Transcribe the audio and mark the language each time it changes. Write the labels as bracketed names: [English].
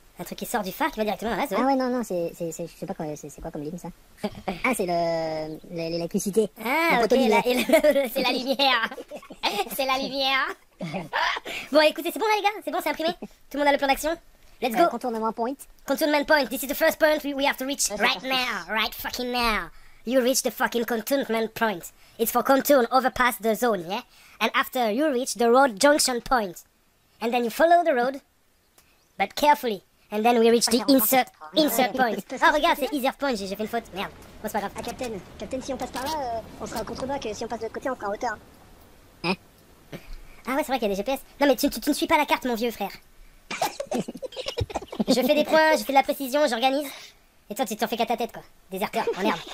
[French] Un truc qui sort du phare qui va directement dans la zone? Ah ouais, non, c'est je sais pas quoi, c'est quoi comme ligne ça? Ah, c'est l'électricité. Ah, ok, c'est la lumière. C'est la lumière. Bon, écoutez, c'est bon là les gars, c'est bon, c'est imprimé. Tout le monde a le plan d'action. [English] Let's go. [French] Contournement point. [English] Contournement point, this is the first point we have to reach right now. Right fucking now. You reach the fucking contournment point. It's for contour, overpass the zone, yeah? And after you reach the road junction point. And then you follow the road, but carefully. And then we reach the insert point. [French] Oh, regarde, c'est easier point, j'ai fait une faute. Merde, bon, c'est pas grave. Ah, Captain, si on passe par là, on sera en contrebas, que si on passe de l'autre côté, on sera en hauteur. Hein? Ah ouais, c'est vrai qu'il y a des GPS. Non, mais tu ne suis pas la carte, mon vieux frère. Je fais des points, je fais de la précision, j'organise. Et toi, tu t'en fais qu'à ta tête, quoi. Déserteur, en herbe.